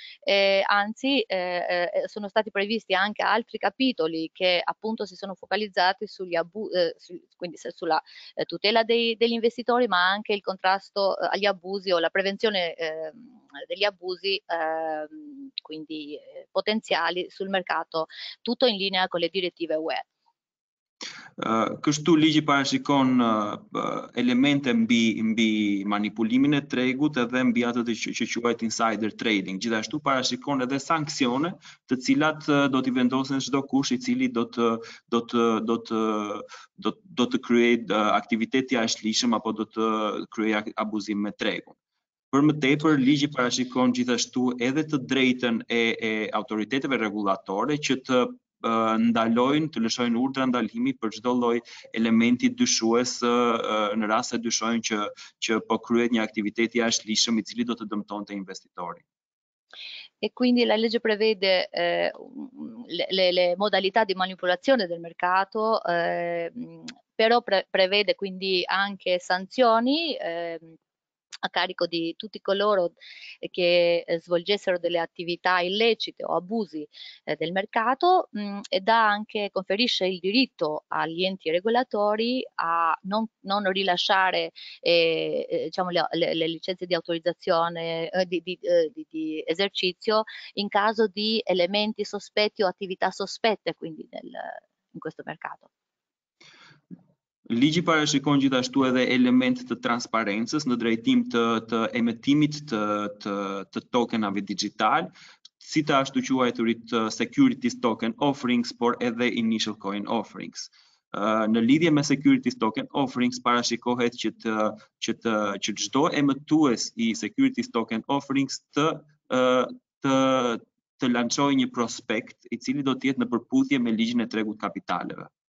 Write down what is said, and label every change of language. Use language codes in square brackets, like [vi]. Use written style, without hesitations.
[it] Sono stati previsti anche altri capitoli che appunto si sono focalizzati sugli sulla tutela degli investitori, ma anche il contrasto agli abusi o la prevenzione degli abusi quindi potenziali sul mercato, tutto in linea con le direttive UE. [sq] Kështu ligji parashikon elemente mbi manipulimin e tregut edhe mbi atë që quhet insider trading. Gjithashtu parashikon edhe sanksione, të cilat do t'i vendosen çdo kush I cili do të kryej aktivitet të jashtëligjshëm apo do të kryej abuzim me tregun. Për më tepër, ligji parashikon gjithashtu edhe të drejtën e autoriteteve rregullatore që të ndalojnë, të lëshojnë urdhra ndalimi për çdo lloj elementi dyshues në rast se dyshojnë që po kryhet një aktivitet I jashtëligjshëm I cili do të dëmtonte investitorin. [it] E quindi la legge prevede le modalità di manipolazione del mercato, però prevede quindi anche sanzioni a carico di tutti coloro che svolgessero delle attività illecite o abusi del mercato, e dà anche, conferisce il diritto agli enti regolatori a non rilasciare diciamo le licenze di autorizzazione di esercizio in caso di elementi sospetti o attività sospette, quindi in questo mercato. [sq] Ligji parashikon gjithashtu edhe element të transparencës në drejtim të emetimit të tokenave digital, si të ashtu quajturit securities token offerings, por edhe initial coin offerings. Në lidhje me securities token offerings, parashikohet që çdo emetues i securities token offerings të lançoj një prospekt i cili do tjetë në përputhje me ligjin e tregut kapitaleve.